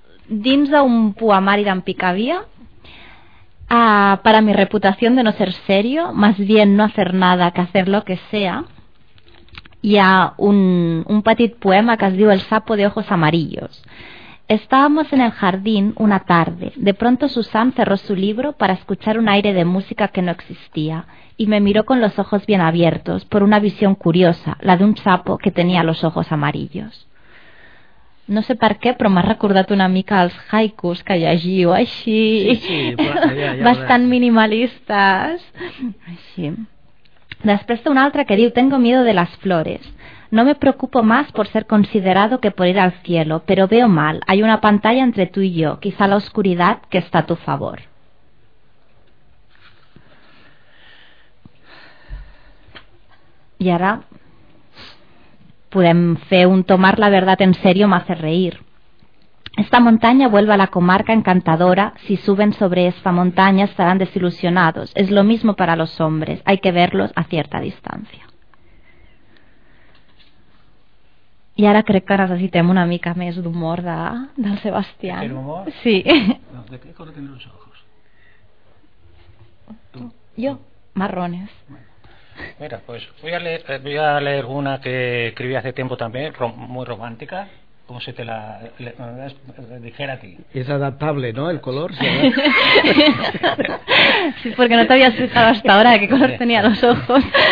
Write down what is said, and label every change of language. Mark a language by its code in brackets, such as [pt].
[ca] Dins d'un poemari d'en Picavia, [es] para mi reputación de no ser serio, más bien no hacer nada que hacer lo que sea, [ca] hi ha un petit poema que es diu [es] El sapo de ojos amarillos. Estábamos en el jardín una tarde. De pronto Susan cerró su libro para escuchar un aire de música que no existía y me miró con los ojos bien abiertos por una visión curiosa, la de un sapo que tenía los ojos amarillos. [ca] No sé per què, però m'has recordat una mica els haikus que llegiu així, sí, sí, bastant minimalistes. Així. Després d'una altra que diu [es] «Tengo miedo de las flores». No me preocupo más por ser considerado que por ir al cielo, pero veo mal. Hay una pantalla entre tú y yo, quizá la oscuridad que está a tu favor. Y ahora podemos hacer un tomar la verdad en serio me hace reír. Esta montaña vuelve a la comarca encantadora. Si suben sobre esta montaña estarán desilusionados. Es lo mismo para los hombres, hay que verlos a cierta distancia. [ca] I ara crec que necessitem una mica més d'humor del Sebastià. Per humor? Sí. No, de què cosa tenen els ojos? Tu? Jo? Marrones. [es] Bueno. Mira, pues voy a leer una que escribí hace tiempo también, muy romántica, como si te la dijera a ti. Es adaptable, ¿no?, el color. Sí, sí, porque no te habías fijado hasta ahora de qué color tenía los ojos.